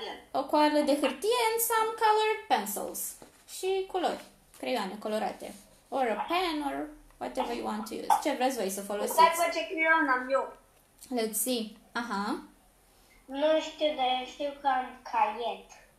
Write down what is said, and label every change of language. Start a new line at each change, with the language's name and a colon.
Romanian: O coală de hârtie
English: and some colored pencils.
Romanian: Și culori, creioane colorate.
English: Or a pen or whatever you want to use.
Romanian: Ce vreți voi să folosiți? Stai, ce creion am eu.
English: Let's see.
Romanian: Nu știu, dar eu știu că am caiet.